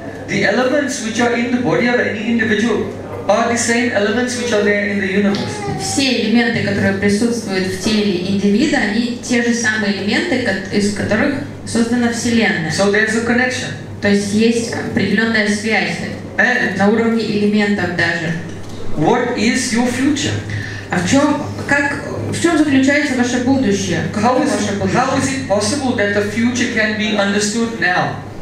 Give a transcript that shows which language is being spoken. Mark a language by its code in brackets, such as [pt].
[en] The elements which are in the body of any individual are the same elements which are there in the universe. [ru] Все элементы, которые присутствуют в теле индивида, они те же самые элементы, из которых создана вселенная. [en] So there's a connection. [ru] То есть есть определенная связь. [en] And [ru] на уровне элементов даже. [en] What is your future? [ru] А в чем заключается ваше будущее? [en] How is it possible that the future can be understood now?